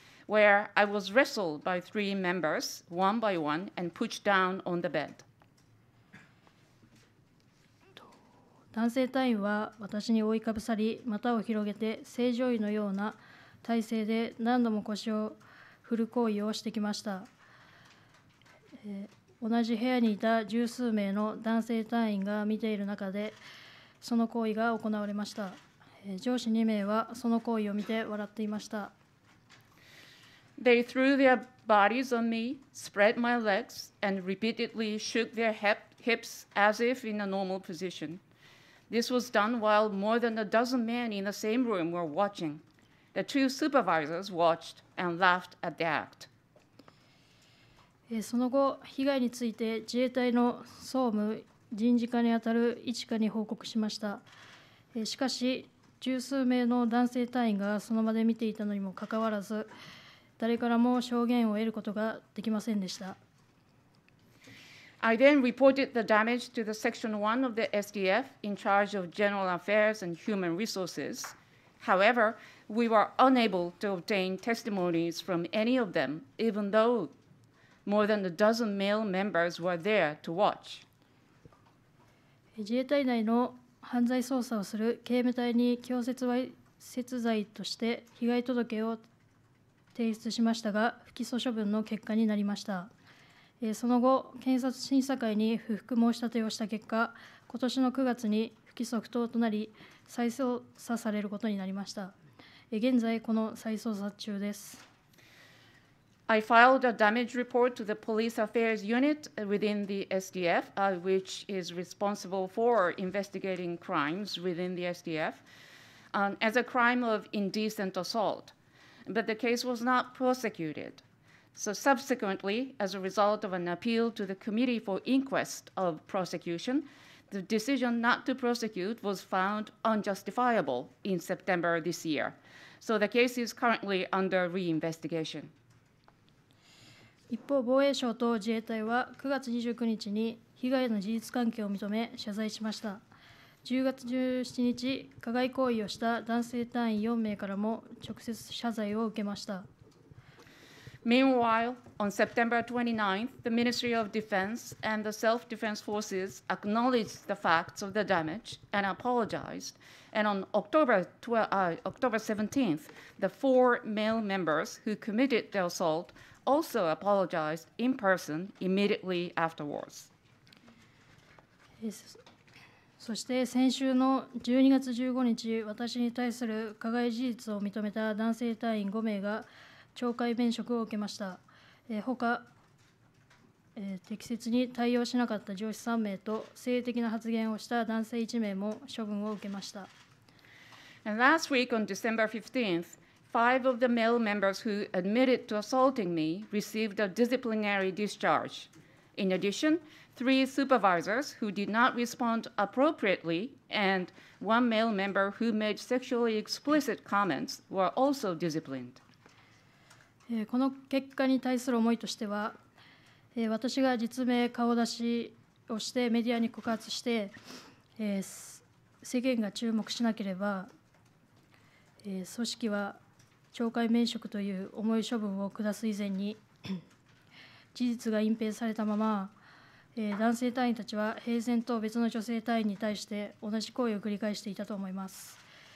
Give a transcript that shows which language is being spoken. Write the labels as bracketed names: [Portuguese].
[English] Where I was wrestled by three members, one by one, and pushed down on the bed. [Japanese] 男性隊員は私に覆いかぶさり、股を広げて、正常位のような体勢で何度も腰を振る行為をしてきました。同じ部屋にいた十数名の男性隊員が見ている中で、その行為が行われました。上司2名はその行為を見て笑っていました。 [English] They threw their bodies on me, spread my legs, and repeatedly shook their hips as if in a normal position. This was done while more than a dozen men in the same room were watching. The two supervisors watched and laughed at the act. [Japanese] その後、被害について自衛隊の総務人事課にあたる一課に報告しました。しかし、十数名の男性隊員がその場で見ていたのにもかかわらず、誰からも証言を得ることができませんでした。 [English] I then reported the damage to the Section 1 of the SDF in charge of General Affairs and Human Resources. However, we were unable to obtain testimonies from any of them, even though more than a dozen male members were there to watch. [Japanese] 自衛隊内の犯罪捜査をする警務隊に強制わいせつ罪として被害届を提出しましたが、不起訴処分の結果になりました。その後、検察審査会に不服申し立てをした結果、今年の9月に不起訴不当となり、再捜査されることになりました。現在、この再捜査中です。 [English] I filed a damage report to the Police Affairs Unit within the SDF, which is responsible for investigating crimes within the SDF, as a crime of indecent assault. But the case was not prosecuted. So subsequently, as a result of an appeal to the Committee for Inquest of Prosecution, the decision not to prosecute was found unjustifiable in September this year. So the case is currently under reinvestigation. [Japanese] 一方、防衛省と自衛隊は9月29日に被害の事実関係を認め謝罪しました。 10月17日、加害行為をした男性隊員4名からも直接謝罪を受けました。 [English] Meanwhile, on September 29th, the Ministry of Defense and the Self-Defense Forces acknowledged the facts of the damage and apologized. And on October 17th, the four male members who committed the assault also apologized in person immediately afterwards. [Japanese] そして先週の12月15日、私に対する加害事実を認めた男性隊員5名が懲戒免職を受けました。他、適切に対応しなかった上司3名と性的な発言をした男性1名も処分を受けました。 [English] And last week on December 15th, five of the male members who admitted to assaulting me received a disciplinary discharge. In addition, three supervisors who did not respond appropriately and one male member who made sexually explicit comments were also disciplined. [Japanese] この結果に対する思いとしては、私が実名顔出しをしてメディアに告発して、世間が注目しなければ、組織は懲戒免職という重い処分を下す以前に事実が隠蔽されたまま、男性隊員たちは平然と別の女性隊員に対して同じ行為を繰り返していたと思います。